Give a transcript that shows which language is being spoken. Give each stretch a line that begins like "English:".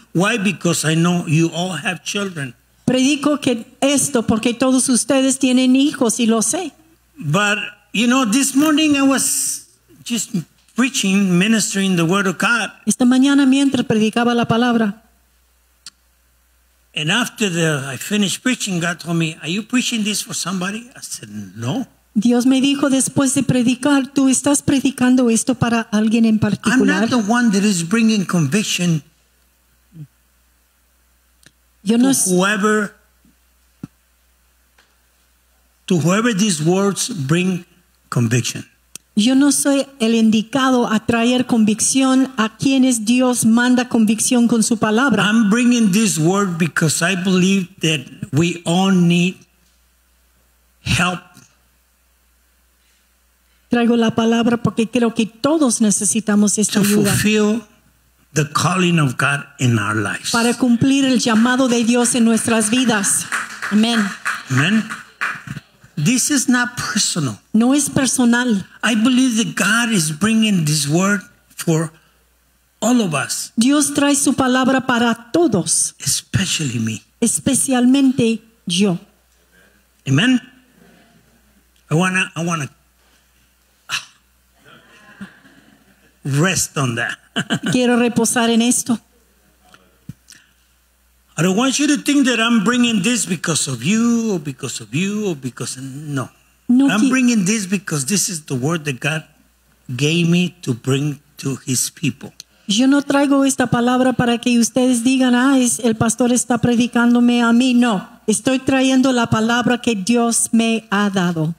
English: Why? Because I know you all have children.
Spanish: Predico que esto porque todos ustedes tienen hijos y lo sé.
English: But, you know, this morning I was just preaching, ministering the word of God.
Spanish: Esta mañana mientras predicaba la palabra.
English: And after I finished preaching, God told me, are you preaching this for somebody? I said, no.
Spanish: Dios me dijo después de predicar, ¿tú estás predicando esto para alguien en particular?
English: I'm not the one that is bringing conviction.
Spanish: Yo no
English: to whoever these words bring conviction.
Spanish: Yo no soy el indicado a traer convicción a quienes Dios manda convicción con su palabra.
English: I'm bringing this word because I believe that we all need help.
Spanish: Traigo la palabra porque creo que todos necesitamos esta ayuda.
English: To fulfill the calling of God in our lives.
Spanish: Para cumplir el llamado de Dios en nuestras vidas.
English: Amen. Amen. This is not personal.
Spanish: No es personal.
English: I believe that God is bringing this word for all of us.
Spanish: Dios trae su palabra para todos.
English: Especially me.
Spanish: Especialmente yo.
English: Amen. I wanna rest on that.
Spanish: Quiero reposar en esto.
English: I don't want you to think that I'm bringing this because of you or because of you or because no.
Spanish: No,
English: I'm bringing this because this is the word that God gave me to bring to his people.
Spanish: Yo no traigo esta palabra para que ustedes digan, el pastor está predicándome a mí. No, estoy trayendo la palabra que Dios me ha dado.